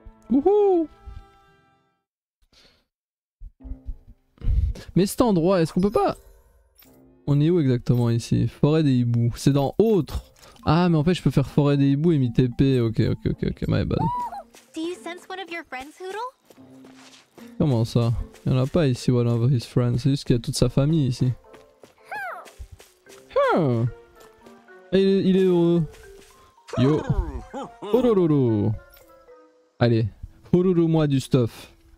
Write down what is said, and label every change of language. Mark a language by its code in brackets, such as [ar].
[fr] Wouhou! Mais cet endroit, est-ce qu'on peut pas... On est où exactement ici? Forêt des hiboux. C'est dans autre. Ah, mais en fait, je peux faire forêt des hiboux et mi-TP. [en] Ok. My bad. Do you sense one of your friends, Hoodle? [fr] Comment ça? Il n'y en a pas ici, [en] one of his friends. [fr] C'est juste qu'il y a toute sa famille ici. Il est heureux. Yo. Hororo. Allez. Hororo moi du stuff.